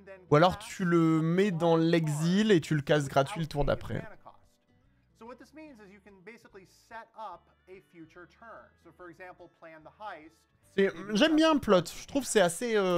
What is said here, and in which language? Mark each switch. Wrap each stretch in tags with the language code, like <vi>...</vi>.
<fr>Ou alors tu le mets dans l'exil et tu le casses gratuit le tour d'après.</fr> <en>So what this means is you can basically set up a future turn. So for example, plan the heist.</en> <fr>J'aime bien plot, je trouve que c'est assez.</fr>